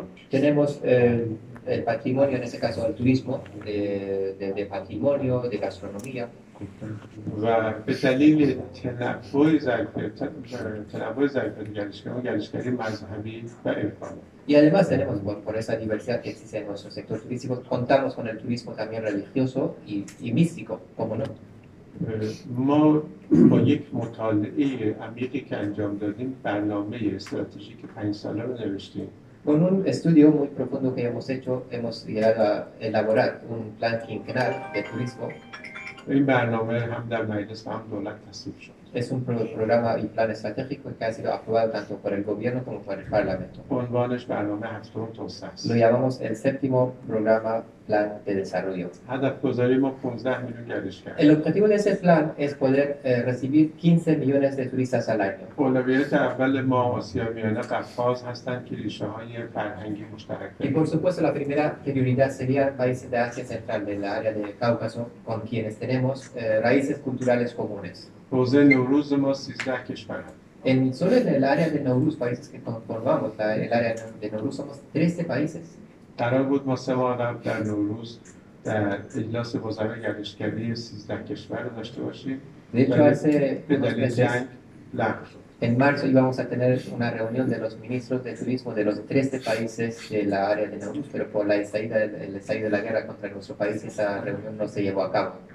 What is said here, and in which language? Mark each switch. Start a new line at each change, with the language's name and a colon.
Spanish: Tenemos el patrimonio, en ese caso el turismo, de patrimonio, de gastronomía.
Persian: و به دلیل تنوع ظرفیت‌های گردشگری مذهبی و عرفانی.
Spanish: Y además tenemos por esa diversidad que existe en nuestro sector turístico, contamos con el turismo también religioso y místico, ¿cómo no?
Persian: ما با یک مطالعه عمیقی که انجام دادیم برنامه استراتژیک 5 ساله رو نوشتیم.
Spanish: Con un estudio muy profundo que hemos hecho, hemos llegado a elaborar un plan quinquenal de turismo.
Persian: این برنامه هم در مجلس و هم دولت تصویب شد.
Spanish: Es un programa y plan estratégico que ha sido aprobado tanto por el gobierno como por el parlamento.
Persian: عنوانش برنامه هفتم توسعه است.
Spanish: Lo llamamos el séptimo programa plan de desarrollo.
Persian: هدف گذاری ما 15 میلیون گردشگر.
Spanish: El objetivo de ese plan es poder recibir 15 millones de turistas al año.
Persian: اولویت اول ما آسیا میانه قفقاز هستند که ریشه های فرهنگی مشترک داریم.
Spanish: Y por supuesto la primera prioridad sería países de Asia Central, del área de Cáucaso, con quienes tenemos raíces culturales comunes.
Persian: حوزه نوروز ما 13 کشور هست.
Spanish: En solo en el área de Nowruz, países que conformamos, en el área de Nowruz somos 13 países.
Persian: قرار بود ما سه ماه قبل در نوروز در اجلاس وزرای گردشگری 13 کشور داشته باشیم.
Spanish: De hecho,
Persian: به دلیل جنگ لغو شد.
Spanish: En marzo íbamos a tener una reunión de los ministros de turismo de los 13 países de la área de Nauru, pero por la estallida, el estallido de la guerra contra nuestro país, esa reunión no se llevó a cabo.